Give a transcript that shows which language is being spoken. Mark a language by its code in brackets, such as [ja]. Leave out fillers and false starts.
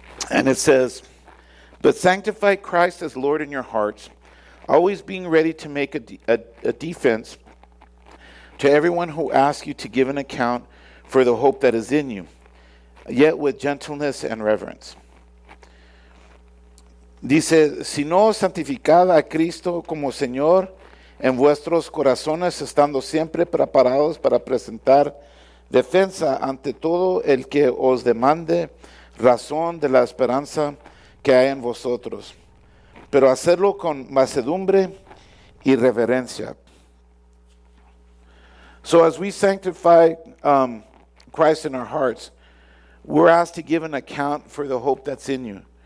[en] And it says, but sanctify Christ as Lord in your hearts, always being ready to make a defense to everyone who asks you to give an account for the hope that is in you, yet with gentleness and reverence. [es] Dice, sino santificad a Cristo como Señor en vuestros corazones, estando siempre preparados para presentar defensa ante todo el que os demande razón de la esperanza que hay en vosotros, pero hacerlo con mansedumbre y reverencia. [en] So as we sanctify Christ in our hearts, we're asked to give an account for the hope that's in you.